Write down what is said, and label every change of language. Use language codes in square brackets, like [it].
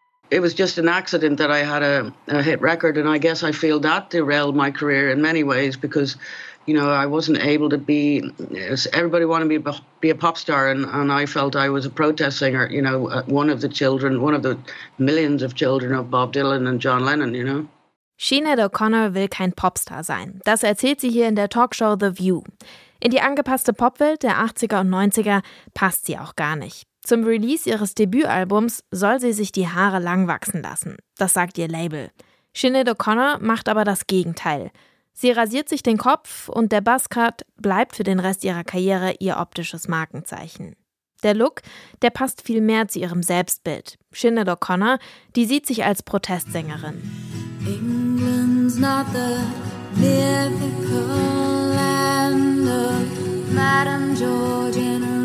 [en] It was just an accident that I had a hit record, and I guess I feel that derailed my career in many ways because, you know, I wasn't able to be, everybody wanted me to be a pop star, and I felt I was a protest singer, you know, one of the children, one of the millions of children of Bob Dylan and John Lennon, you know. [de] Sinéad O'Connor will kein Popstar sein. Das erzählt sie hier in der Talkshow The View. In die angepasste Popwelt der 80er und 90er passt sie auch gar nicht. Zum Release ihres Debütalbums soll sie sich die Haare lang wachsen lassen. Das sagt ihr Label. Sinéad O'Connor macht aber das Gegenteil. Sie rasiert sich den Kopf und der Buzzcut bleibt für den Rest ihrer Karriere ihr optisches Markenzeichen. Der Look, der passt viel mehr zu ihrem Selbstbild. Sinéad O'Connor, die sieht sich als Protestsängerin. [en] England's not the mythical land of Madame Georgian.